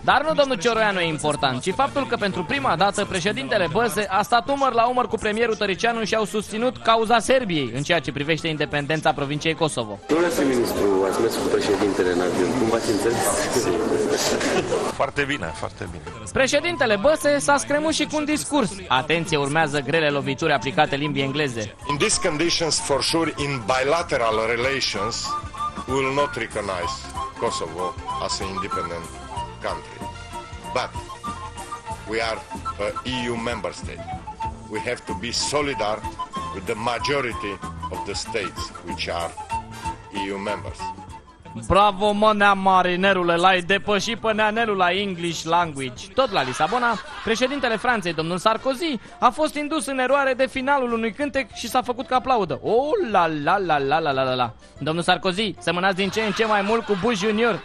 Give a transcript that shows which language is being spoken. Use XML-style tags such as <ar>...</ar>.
<ro>Dar nu domnul Cioroianu e important, ci faptul că pentru prima dată președintele Băse a stat umăr la umăr cu premierul Tăriceanu și au susținut cauza Serbiei în ceea ce privește independența provinciei Kosovo. Domnule ministru, ați mers cu președintele în avion. Cum v-ați înțeles? Foarte bine, foarte bine. Președintele Băse s-a scremut și cu un discurs. Atenție, urmează grele lovituri aplicate limbii engleze.</ro> <en>In these conditions for sure in bilateral relations will not recognize Kosovo as an independent country. But we are a EU member state. We have to be solidar with the majority of the states which are EU members.</en> <ro>Bravo, mă, nea marinerule, l-ai depășit pe neanelul la</ro> <en>English language.</en> <ro>Tot la Lisabona, președintele Franței, domnul Sarkozy, a fost indus în eroare de finalul unui cântec și s-a făcut ca aplaudă. Oh, la, la, la, la, la, la, la. Domnul Sarkozy, semănați din ce în ce mai mult cu Bush Junior.</ro>